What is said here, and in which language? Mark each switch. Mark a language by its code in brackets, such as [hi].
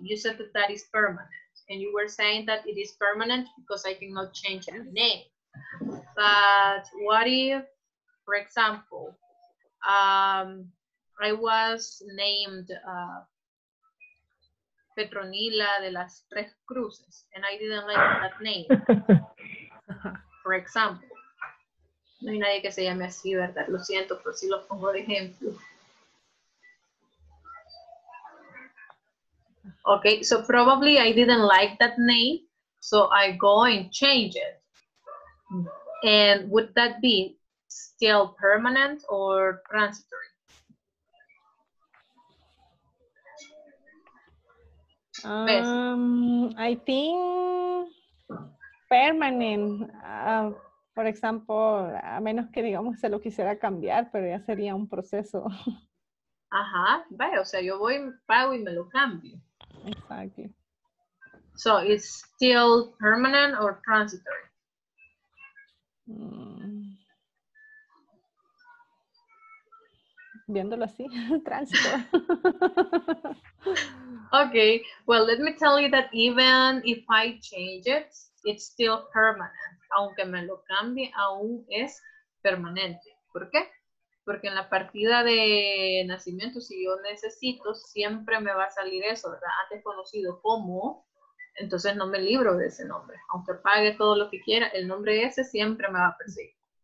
[en] You said that that is permanent, and you were saying that it is permanent because I cannot change any name. But what if, for example, I was named Petronila de las Tres Cruces, and I didn't like that name. For example, [es] no hay nadie que se llame así, ¿verdad? Lo siento, pero sí los pongo de ejemplo. [en] Okay, so probably I didn't like that name, so I go and change it. And would that be still permanent or transitory? I think permanent. For example, [es] a menos que digamos se lo quisiera cambiar, pero ya sería un proceso. Ajá, vaya, o sea, yo voy, pago y me lo cambio. [en] Exactly. So, it's still permanent or transitory? [es] Viéndolo así, tránsito. [en] Okay, well, let me tell you that even if I change it, it's still permanent. [es] Aunque me lo cambie, aún es permanente. ¿Por qué? Porque en la partida de nacimiento, si yo necesito, siempre me va a salir eso, ¿verdad? Antes conocido como, entonces no me libro de ese nombre. Aunque pague todo lo que quiera, el nombre ese siempre me va a perseguir.